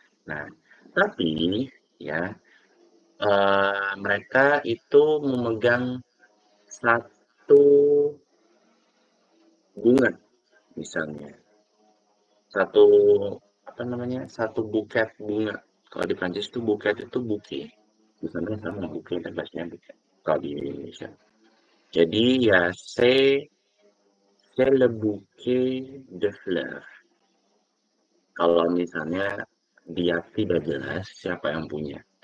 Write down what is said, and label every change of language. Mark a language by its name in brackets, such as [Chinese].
[Indonesian] Nah, tapi ya, mereka itu memegang satu bunga, misalnya satu apa namanya, satu buket bunga. Kalau di Prancis itu buket itu bouquet, misalnya sama bouquet dan bahasanya buket. Kalau di Indonesia. Jadi ya, [French] c'est le bouquet de fleurs. [Indonesian] Kalau misalnya dia tidak jelas siapa yang punya.